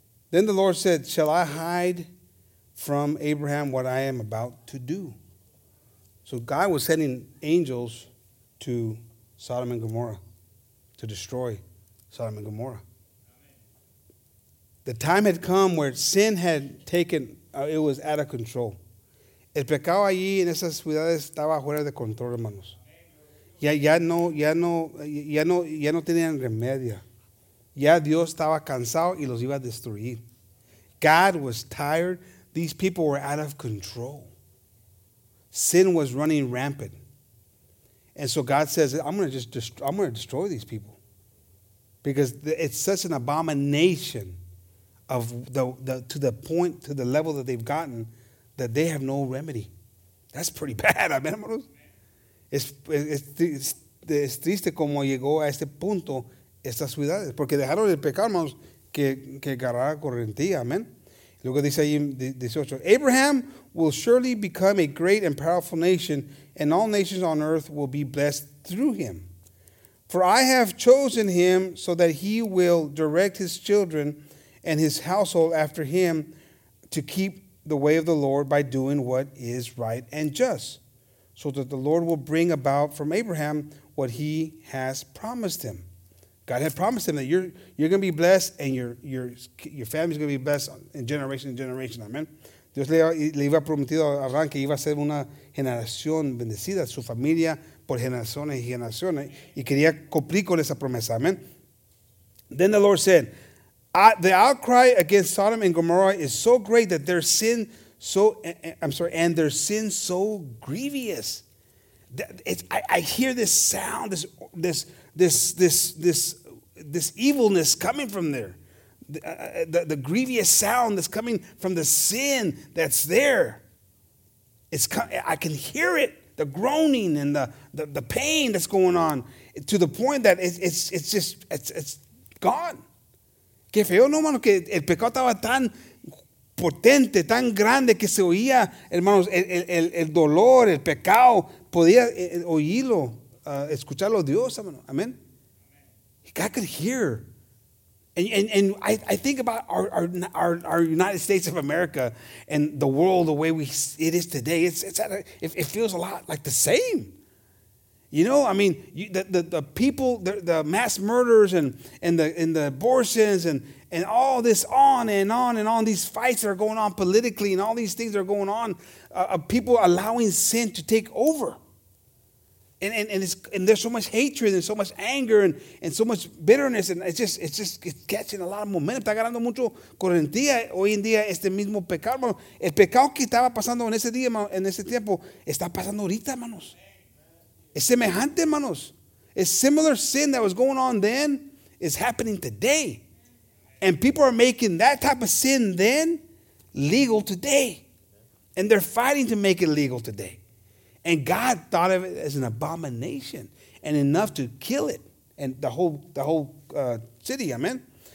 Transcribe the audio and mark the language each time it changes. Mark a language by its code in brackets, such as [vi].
[en] Then the Lord said, shall I hide from Abraham what I am about to do? So God was sending angels to Sodom and Gomorrah to destroy Sodom and Gomorrah. The time had come where sin had taken, it was out of control. [es] El pecado allí en esas ciudades estaba fuera de control, hermanos. Ya no tenían remedio. Ya Dios estaba cansado y los iba a destruir. [en] God was tired. These people were out of control. Sin was running rampant. And so God says, I'm going to destroy these people. Because it's such an abomination. Of the to the point, to the level that they've gotten, that they have no remedy. That's pretty bad. Amen. [es] Es triste como llegó a este punto estas ciudades, porque dejaron el pecado, hermanos, que agarrara correntía. [en] Amen. [es] Luego dice ahí [en] 18, Abraham will surely become a great and powerful nation, and all nations on earth will be blessed through him. For I have chosen him so that he will direct his children and his household after him to keep the way of the Lord by doing what is right and just, so that the Lord will bring about from Abraham what he has promised him. God had promised him that you're going to be blessed and your family is going to be blessed in generation to generation. Amen. [es] Dios le iba prometido a Abraham que iba a ser una generación bendecida, su familia por generaciones y generaciones, y quería cumplir con esa promesa. [en] Amen. Then the Lord said, the outcry against Sodom and Gomorrah is so great that their sin and their sins so grievous. I hear this sound, this evilness coming from there, the grievous sound that's coming from the sin that's there. I can hear it, the groaning and the pain that's going on, to the point that it's gone. [es] Que feo, no, hermano, que el pecado estaba tan potente, tan grande, que se oía, hermanos, el dolor, el pecado, podía oírlo, escucharlo Dios, hermano. [en] Amen. God could hear. And I think about our United States of America and the world the way it is today. It feels a lot like the same. You know, I mean, the people, the mass murders and the abortions and all this on and on and on, these fights that are going on politically and all these things that are going on, people allowing sin to take over. And there's so much hatred and so much anger and so much bitterness, and it's catching a lot of momentum. [es] Está ganando mucho correntía hoy en día este mismo pecado, hermano. El pecado que estaba pasando en ese día, en ese tiempo, está pasando ahorita, hermanos. Es semejante, hermanos. [en] A similar sin that was going on then is happening today. And people are making that type of sin then legal today. And they're fighting to make it legal today. And God thought of it as an abomination and enough to kill it and the whole city. Amen.